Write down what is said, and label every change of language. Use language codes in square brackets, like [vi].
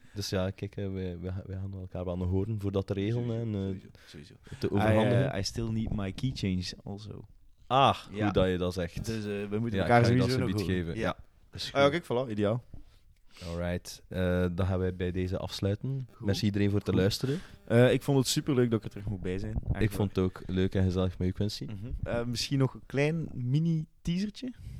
[nl] Dus ja, kijk, we gaan elkaar wel nog horen voor dat te regelen. Sowieso. Te overhandigen. [en] I still need my keychains also. [nl] Ah, goed dat je dat zegt. Dus we moeten elkaar sowieso nog horen. Geven. Ja, ja. Oké, okay, voilà, ideaal. Alright, dan gaan wij bij deze afsluiten. Goed. Merci iedereen voor te luisteren. Ik vond het superleuk dat ik er terug moet bij zijn. Eigenlijk. Ik vond het ook leuk en gezellig met je, Quincy. Mm-hmm. Misschien nog een klein mini-teasertje?